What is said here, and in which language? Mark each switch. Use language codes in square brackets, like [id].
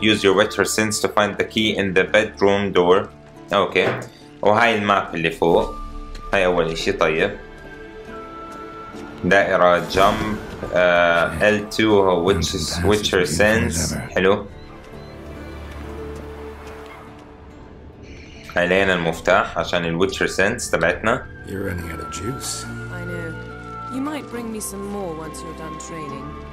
[en] Use your Witcher sense to find the key in the bedroom door. [ar] اوكي وهاي الماب اللي فوق هاي اول شيء. طيب دائرة [en] jump L2 which is Witcher sense. [ar] حلو علينا المفتاح عشان الويتشر سينس تبعتنا. [en] You're running out of juice. I know. You might bring me some more once you're done training.